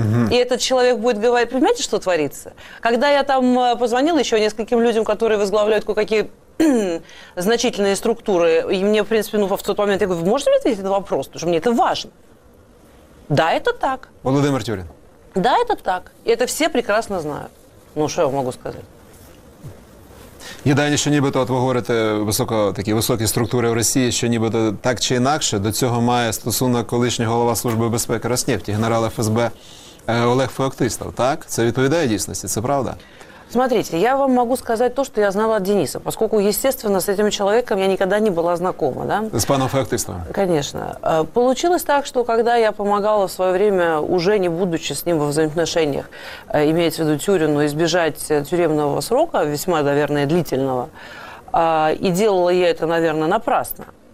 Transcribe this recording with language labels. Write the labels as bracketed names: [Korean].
[Russian] И этот человек будет говорить, понимаете, что творится? Когда я там позвонила еще нескольким людям, которые возглавляют кое-какие значительные структуры, и мне, в принципе, ну, в тот момент, я говорю, вы можете мне ответить на вопрос, потому что мне это важно. Да, это так. Владимир Тюрин. Да, это так. И это все прекрасно знают. [Ukrainian] Ну, що я можу сказати? Єдине, що нібито, от ви говорите, високо, такі високі структури в Росії, що нібито так чи інакше до цього має стосунок колишній голова Служби безпеки Роснефті, генерал ФСБ Олег Феоктистов, так? Це відповідає дійсності, це правда? [Russian] Смотрите, я вам могу сказать то, что я знала от Дениса, поскольку, естественно, с этим человеком я никогда не была знакома. Да? С паном Феоктистовым? Конечно. Получилось так, что когда я помогала в свое время, уже не будучи с ним во взаимоотношениях, имеется в виду Тюрину, избежать тюремного срока, весьма, наверное, длительного, и делала я это, наверное, напрасно.